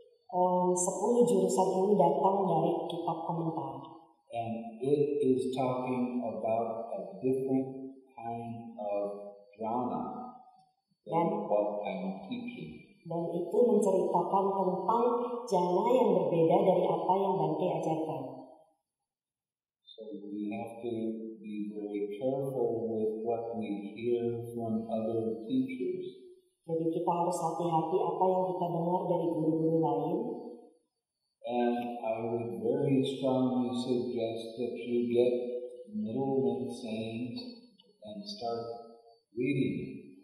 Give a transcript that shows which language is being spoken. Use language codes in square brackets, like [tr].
[id] 10 jurusan ini datang dari kitab komentar. [en] And it is talking about a different kind of jhana. [id] Dan menceritakan tentang jana yang berbeda dari apa yang Bhante ajarkan. [en] So we have to be very careful with what we hear from other teachers. [id] Jadi kita harus hati-hati apa yang kita dengar dari guru-guru lain. [en] And I would very strongly suggest that you get middlemen saints and start reading.